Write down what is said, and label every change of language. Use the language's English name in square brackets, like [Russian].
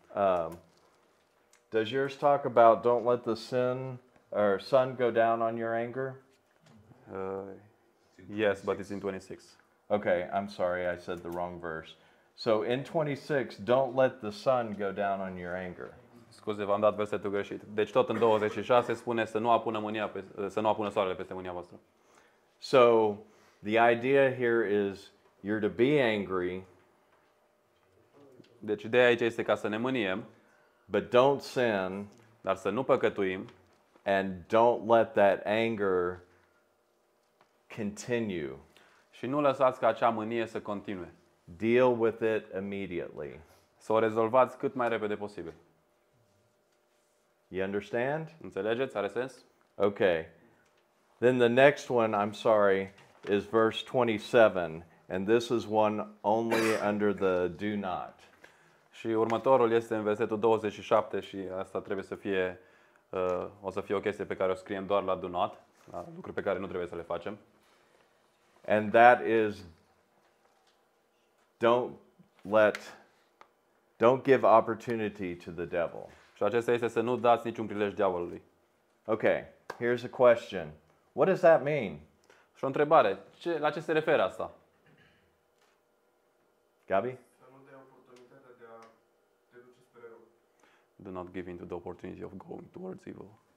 [English] Does yours talk about don't let the sin or sun go down on your anger? Yes, but it's in 26. Okay, I'm sorry, I said the wrong verse. So in 26, don't let the sun go down on your anger. [Romanian] Scuze, v-am dat versetul greșit. Deci tot în 26 spune să nu apună mânia să nu apună soarele peste mânia voastră. [English] So, the idea here is you're to be angry. [Romanian] Deci ideea aici este ca să ne mâniem, [English] but don't sin, [Romanian] dar să nu păcătuim, [English] and don't let that anger continue. [Romanian] Și nu lăsați ca acea mânie să continue. [English] Deal with it immediately. [Romanian] Să o rezolvați cât mai repede posibil. [English] You understand? [Romanian] Înțelegeți? Are sens? [English] Okay. Then the next one, I'm sorry, is verse 27. And this is one only under the do not. [Romanian] Și următorul este în versetul 27 și asta trebuie să fie, o să fie o chestie pe care o scriem doar la do not, la lucruri pe care nu trebuie să le facem. [English] And that is don't give opportunity to the devil. [Romanian] Și acesta este să nu dați niciun prilej diavolului. [English] Okay, here's a question. What does that mean? [Romanian] Și o întrebare. Ce, la ce se referă asta? [English] Gabi? [Romanian] Să nu dai oportunitatea de a te duce spre rău. [English] Do not give in to the opportunity of going towards evil.